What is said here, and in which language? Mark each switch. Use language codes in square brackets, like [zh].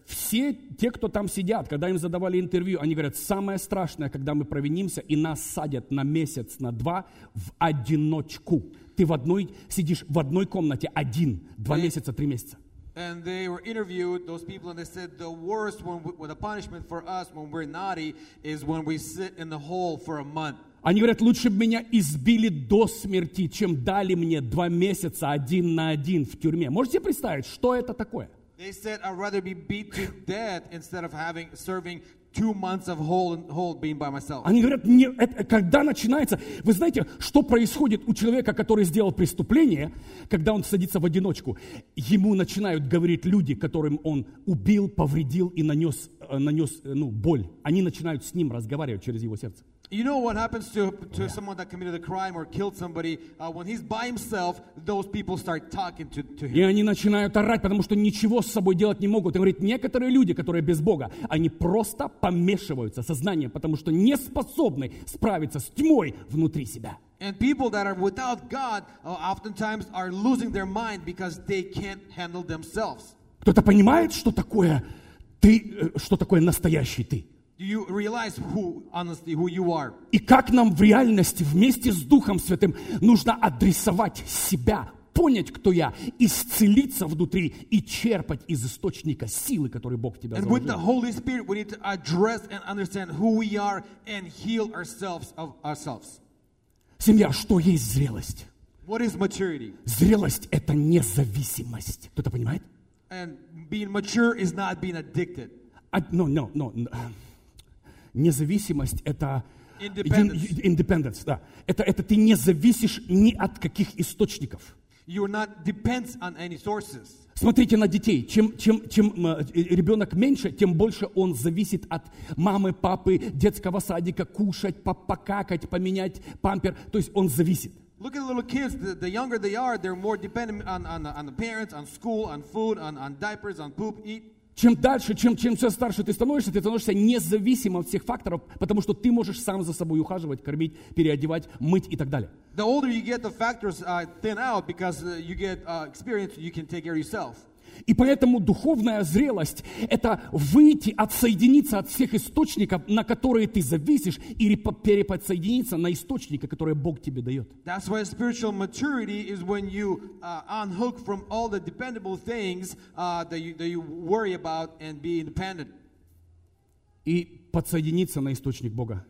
[ru] Все те, кто там сидят, когда им задавали интервью, они говорят, самое страшное, когда мы провинимся, и нас садят на месяц, на два в одиночку. Ты сидишь в одной комнате один, два месяца, три месяца. [en] And they were interviewed, those people, and they said the worst one with the punishment for us when we're naughty is when we sit in the hole for a month. [ru] Они говорят, лучше бы меня избили до смерти, чем дали мне два месяца один на один в тюрьме. Можете себе представить, что это такое? [en] They said I'd rather be beat to death instead of serving two months of hole being by myself. [ru] Они говорят, когда начинается, вы знаете, что происходит у человека, который сделал преступление, когда он садится в одиночку, ему начинают говорить люди, которым он убил, повредил и нанес боль. Они начинают с ним разговаривать через его сердце. [en] You know what happens to someone that committed a crime or killed somebody when he's by himself? Those people start talking to him. [ru] И они начинают орать, потому что ничего с собой делать не могут. И говорит, некоторые люди, которые без Бога, они просто помешиваются сознанием, потому что не способны справиться с тьмой внутри себя. [en] And people that are without God oftentimes are losing their mind because they can't handle themselves. [ru] Кто-то понимает, что такое ты, что такое настоящий ты? [en] Do you realize who, honestly, who you are? [ru] И как нам в реальности вместе с Духом Святым нужно адресовать себя, понять, кто я, исцелиться внутри и черпать из источника силы, который Бог в тебя заложил. [en] And with the Holy Spirit, we need to address and understand who we are and heal ourselves of ourselves. [ru] Семья, что есть зрелость? [en] What is maturity? [ru] Зрелость – это независимость. Кто-то понимает? [en] And being mature is not being addicted. No. [ru] Независимость – это Independence, да. Это ты не зависишь ни от каких источников. [en] You're not depends on any sources. [ru] Смотрите на детей. Чем ребенок меньше, тем больше он зависит от мамы, папы, детского садика, кушать, покакать, поменять пампер. То есть он зависит. [en] Look at the little kids. The younger they are, they're more dependent on the parents, on school, on food, on diapers, on poop, eat. [ru] Чем дальше, чем все старше ты становишься независимым от всех факторов, потому что ты можешь сам за собой ухаживать, кормить, переодевать, мыть и так далее. [en] The older you get, the factors thin out because you get experience, you can take care of yourself. [ru] И поэтому духовная зрелость – это выйти, отсоединиться от всех источников, на которые ты зависишь, или переподсоединиться на источники, которые Бог тебе дает. [en] That's why spiritual maturity is when you unhook from all the dependable things that you worry about and be independent. [ru] И подсоединиться на источник Бога.